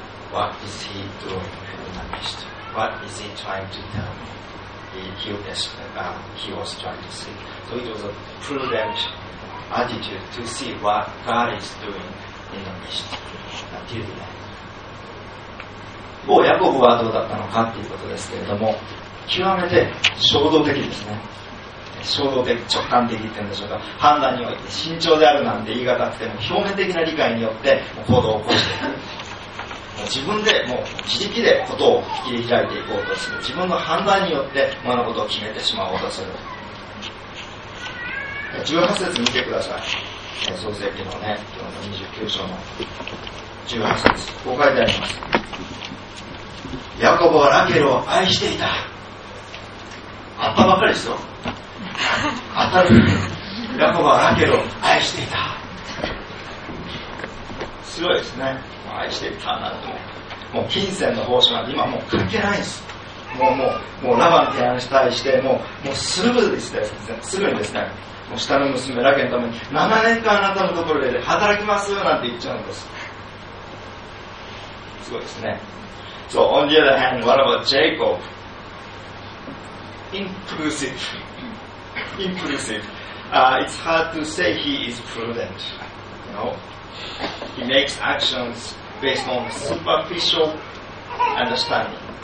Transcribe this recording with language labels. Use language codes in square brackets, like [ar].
[en] What is he doing in the midst? What is he trying to tell me? He was trying to see. So it was a prudent attitude to see what God is doing in the midst until then. [ja] ヤコブはどうだったのかということですけれども、極めて衝動的ですね。衝動的、直感的って言うんでしょうか、判断において慎重であるなんて言い難くても、表面的な理解によって行動を起こして、自分でもう自力でことを切り開いていこうとする、自分の判断によって物事を決めてしまおうとする。 18節見てください。創世記のね、今日の29章の18節、こう書いてあります。ヤコブはラケルを愛していた。あったばかりですよ。あたる、ヤコブはラケルを愛していた。すごいですね。愛していたなんて、もう金銭の報酬なんて今もう関係ないです。もうラバン提案に対して、もうすぐですね、すぐにですね、もう下の娘ラケルのために7年間あなたのところで働きますなんて言っちゃうんです。すごいですね。 [en] So on the other hand, what about Jacob? Impulsive. It's hard to say he is prudent. You know, he makes actions based on superficial understanding.